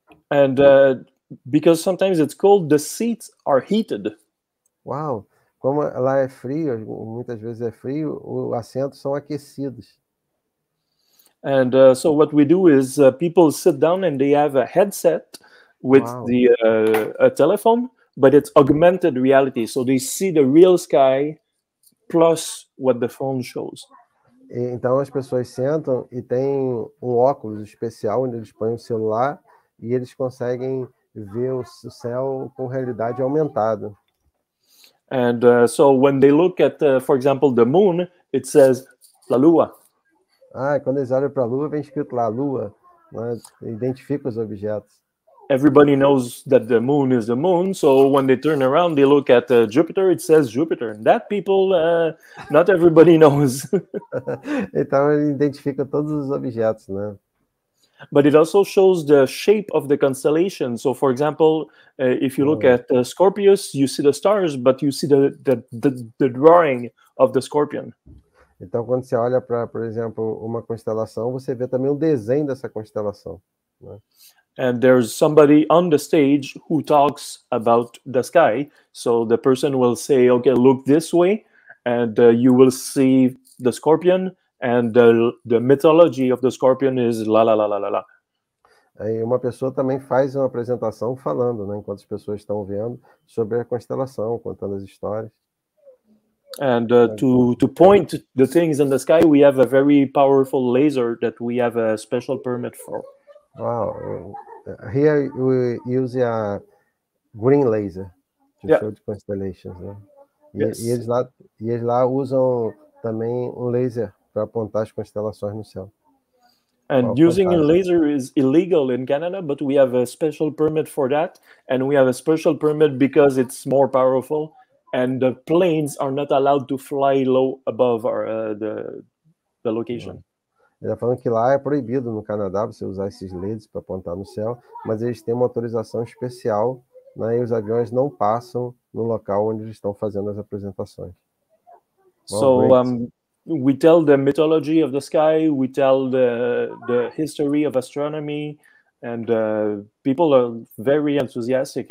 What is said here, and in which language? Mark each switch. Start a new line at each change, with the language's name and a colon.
English: And because sometimes it's cold, the seats are heated. Wow.
Portuguese: Como lá é frio, muitas vezes é frio, os assentos são aquecidos.
English: And so what we do is people sit down and they have a headset with wow. the a telephone, but it's augmented reality, so they see the real sky plus what the phone shows.
Portuguese: E, então as pessoas sentam e tem um óculos especial onde eles põem o celular e eles conseguem ver o céu com realidade aumentada.
English: And so when they look at, for example, the moon, it says La Lua.
Portuguese: Ah, quando eles olham para a Lua, vem escrito lá, Lua. Né? Identifica os objetos.
English: Everybody knows that the moon is the moon, so when they turn around, they look at Jupiter, it says Jupiter. And that people, not everybody knows.
Portuguese: Então ele identifica todos os objetos, né?
English: But it also shows the shape of the constellation. So, for example, if you look at Scorpius, you see the stars, but you see the drawing of the scorpion.
Portuguese: Então, quando você olha para, por exemplo, uma constelação, você vê também o desenho dessa constelação. Né?
English: And there's somebody on the stage who talks about the sky. So the person will say, "Okay, look this way, and you will see the scorpion." And the mythology of the scorpion is la la la la la la.
Portuguese: Aí uma pessoa também faz uma apresentação falando, né, enquanto as pessoas estão vendo sobre a constelação, contando as histórias.
English: And to point the things in the sky, we have a very powerful laser that we have a special permit for. Wow. Here we use a green laser to show the constellations,
Portuguese: né?
English: Yes.
Portuguese: E eles lá usam também um laser para apontar as constelações no céu.
English: And using a laser is illegal in Canada, but we have a special permit for that, and we have a special permit because it's more powerful, and the planes are not allowed to fly low above our, the location.
Portuguese: Ele está falando que lá é proibido no Canadá você usar esses lasers para apontar no céu, mas eles têm uma autorização especial, né, e os aviões não passam no local onde eles estão fazendo as apresentações.
English: So, we tell the mythology of the sky, we tell the history of astronomy, and people are very enthusiastic.